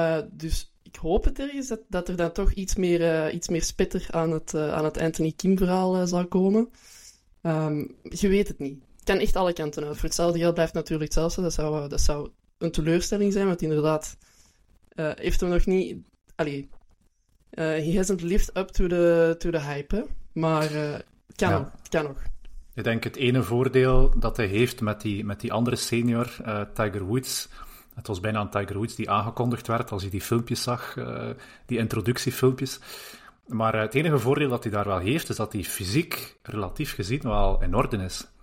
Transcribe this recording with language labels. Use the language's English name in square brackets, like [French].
[Dutch] Dus ik hoop het ergens dat er dan toch iets meer spitter aan het Anthony Kim verhaal zal komen. Je weet het niet. Het kan echt alle kanten uit. Voor hetzelfde geld blijft natuurlijk hetzelfde. Dat zou een teleurstelling zijn, want inderdaad heeft hem nog niet... [English] Allee, he hasn't lived up to the hype, hè? [Dutch] Maar kan nog. Ik denk het ene voordeel dat hij heeft met die andere senior, Tiger Woods. Het was bijna aan Tiger Woods die aangekondigd werd als hij die filmpjes zag, die introductiefilmpjes. Maar het enige voordeel dat hij daar wel heeft, is dat hij fysiek relatief gezien wel in orde is.